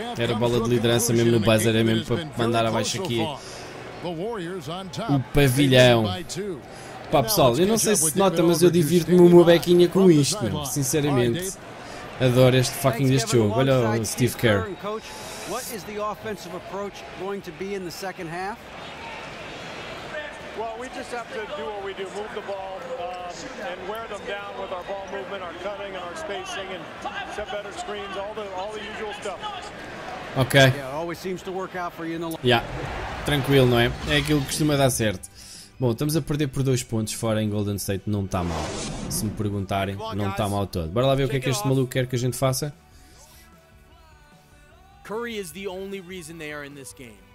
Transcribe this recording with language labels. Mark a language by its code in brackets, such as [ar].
[pt] Era bola de liderança mesmo no buzzer, é mesmo para mandar abaixo aqui o pavilhão. Pá, pessoal, eu não sei se nota, mas eu divirto-me uma bequinha com isto, meu. Sinceramente. Adoro este fucking deste jogo. Olha o Steve Kerr. [en] What is the offensive approach going to be in the second half? Well, we just have to do what we do, move the ball and wear them down with our ball movement, our cutting and our spacing and set better screens, all the usual stuff. Okay. Yeah, always seems to work out for you in the long. Yeah. [pt] Tranquilo, não é? É aquilo que costuma dar certo. Bom, estamos a perder por 2 pontos fora em Golden State, não está mal. Se me perguntarem, não está mal todo. Bora lá ver o que é que este maluco quer que a gente faça. [en] Curry is the only reason they are in this game.